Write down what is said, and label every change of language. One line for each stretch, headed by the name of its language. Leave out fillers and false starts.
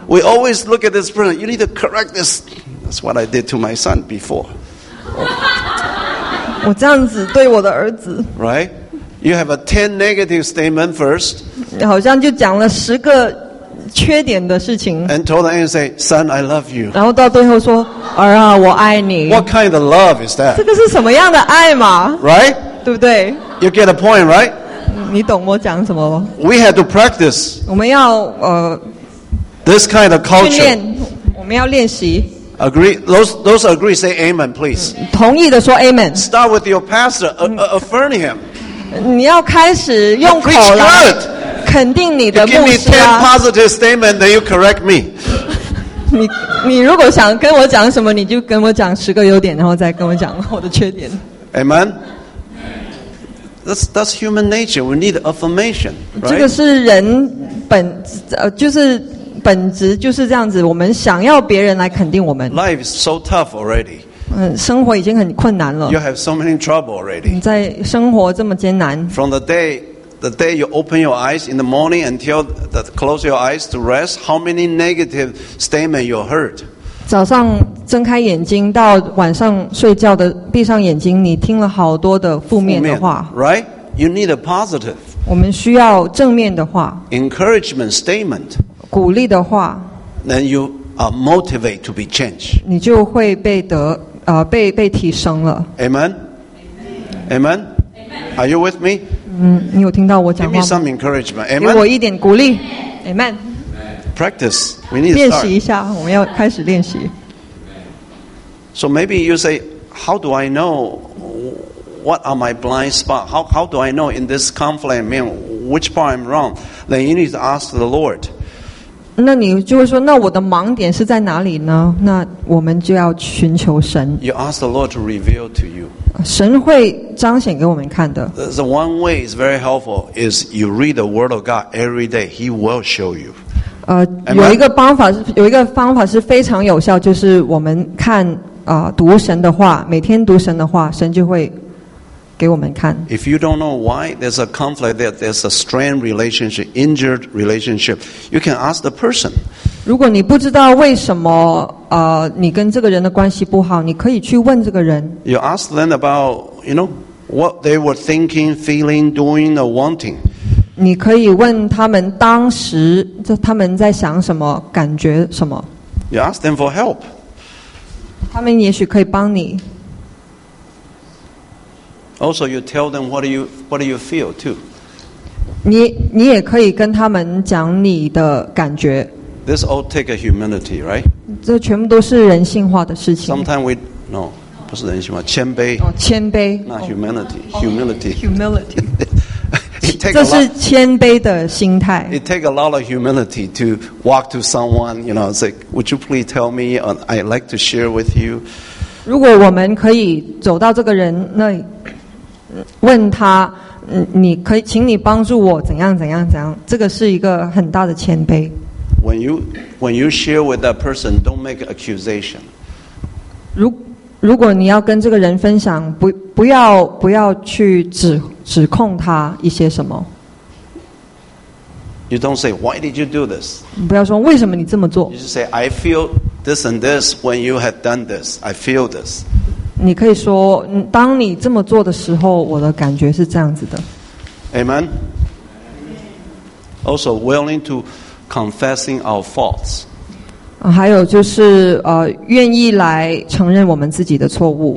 English: We always look at this person. You need to correct this. That's what I did to my son before.
Chinese: 我这样子对我的儿子。
English: Right? You have a 10 negative statement first.
Chinese: 好像就讲了十个缺点的事情。
English: And told him and say, "Son, I love you."
Chinese: 然后到最后说，儿啊，我爱你。
English: What kind of love is that?
Chinese: 这个是什么样的爱嘛
English: ？Right?
Chinese: 对不对
English: ？You get the point, right?
Chinese: 你懂我讲什么吗
English: ？We had to practice.
Chinese: 我们要
English: this kind of culture.
Chinese: 训练，我们要练习。
English: Agree. Those agree, say amen, please.
Chinese: 同意的说 amen.
English: Start with your pastor. Affirm him.
Chinese: 你要开始用口来肯定你的牧师啊！
English: You give me 10 positive statements, then you correct me.
Chinese: 你如果想跟我讲什么，你就跟我讲十个优点，然后再跟我讲我的缺点。
English: Amen. That's human nature. We need affirmation.、Right?
Chinese: 这个是人本就是本质就是这样子。我们想要别人来肯定我们。
English: Life is so tough already.
Chinese: 生活已经很困难了。
English: You have so many trouble already.
Chinese: 你在生活这么艰难。
English: From the day you open your eyes in the morning until the close your eyes to rest, how many negative statements you heard?
Chinese: 早上睁开眼睛到晚上睡觉的闭上眼睛，你听了好多的负面的话。
English: Right? You need a positive.
Chinese: 我们需要正面的话。
English: Encouragement statement.
Chinese: 鼓励的话。
English: Then you are motivated to be changed.
Chinese: 你就会被得被提升了。
English: Amen. Amen. Are you with me?
Chinese: 你有听到我讲话吗？
English: Give me some encouragement. Amen.
Chinese: 给我一点鼓励。Amen.
English: Practice. We need to
Chinese: 练习一下，我们要开始练习。
English: So maybe you say, how do I know what are my blind spot? How do I know in this conflict, I mean, which part I'm wrong? Then you need to ask the Lord.
Chinese: 那你就会说，那我的盲点是在哪里呢？那我们就要寻求神。
English: You ask the Lord to reveal to you.
Chinese: 神会彰显给我们看的。
English: The one way is very helpful is you read the Word of God every day. He will show you.
Chinese: 有一个方法是非常有效，就是我们看读神的话，每天读神的话，神就会给我们看。
English: If you don't know why there's a conflict, there's a strained relationship, injured relationship, you can ask the person.
Chinese: 如果你不知道为什么你跟这个人的关系不好，你可以去问这个人。
English: You ask them about, you know, what they were thinking, feeling, doing, or wanting.
Chinese: 你可以问他们当时他们在想什么，感觉什么。
English: You ask them for help.
Chinese: 他们也许可以帮你。
English: Also, you tell them what do you feel too.
Chinese: 你也可以跟他们讲你的感觉。
English: This all take a humility, right?
Chinese: 这全部都是人性化的事情。
English: Sometimes we no,
Chinese: 不是人性化，谦卑。谦卑。
English: Not humility, humility.
Chinese: Humility. 这是谦卑的心态。
English: It take a lot of humility to walk to someone, you know, say, "Would you please tell me? I'd like to share with you."
Chinese: 如果我们可以走到这个人那，问他，你可以，请你帮助我怎样怎样怎样，这个是一个很大的谦卑。
English: When you share with that person, don't make accusation.
Chinese: 如果你要跟这个人分享，不要去指控他一些什么。
English: You don't say why did you do this.
Chinese: 不要说为什么你这么做。
English: You just say I feel this and this when you had done this. I feel this.
Chinese: 你可以说当你这么做的时候，我的感觉是这样子的。
English: Amen. Also willing to confessing our faults.
Chinese: 还有就是愿意来承认我们自己的错误。